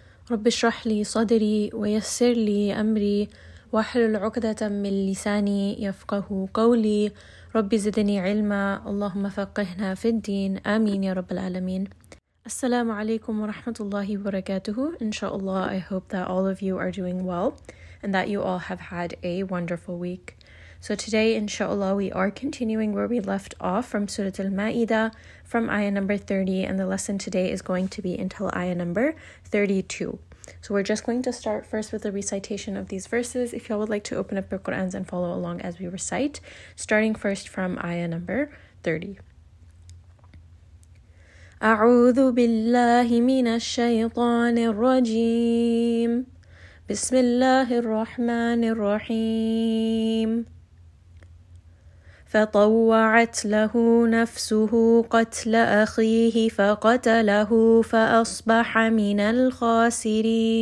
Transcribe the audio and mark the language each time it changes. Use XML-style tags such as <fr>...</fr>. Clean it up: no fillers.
<ar>رب اشرح لي صدري ويسر لي أمري واحلل عقدة من لساني يفقه قولي. رب زدني علما، اللهم فقهنا في الدين، آمين يا رب العالمين. السلام عليكم ورحمة الله وبركاته.</ar> <en>إن شاء الله I hope that all of you are doing well and that you all have had a wonderful week. So today, inshallah, we are continuing where we left off from Surah Al-Ma'idah, from ayah number 30, and the lesson today is going to be until ayah number 32. So we're just going to start first with the recitation of these verses. If y'all would like to open up your Qur'ans and follow along as we recite, starting first from ayah number 30.</en> <ar>أعوذ بالله من الشيطان الرجيم بسم الله الرحمن الرحيم فطوعت له نفسه قتل أخيه فقتله فأصبح من الخاسرين</ar>